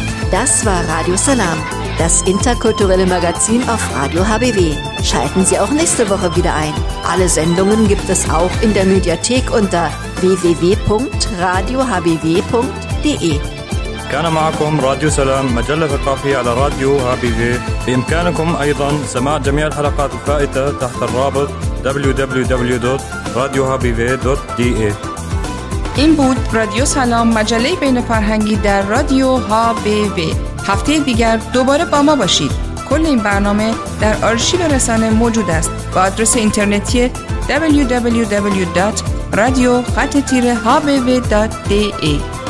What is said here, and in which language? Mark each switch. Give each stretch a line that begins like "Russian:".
German: Das war Radio Salam, das interkulturelle Magazin auf Radio HBW. Schalten Sie auch nächste Woche wieder ein. Alle Sendungen gibt es auch in der Mediathek unter www.radiohbw.de.
Arabic: كان معكم راديو سلام مجلة ثقافية على راديو HBW. بإمكانكم أيضا سماع جميع الحلقات الفائتة تحت الرابط www.radiohbw.de.
Persian: این بود رادیو سلام، مجله بین فرهنگی در رادیو HBW. هفته دیگر دوباره با ما باشید. کل این برنامه در آرشیو رسانه موجود است با آدرس اینترنتی www.radio-hbw.de.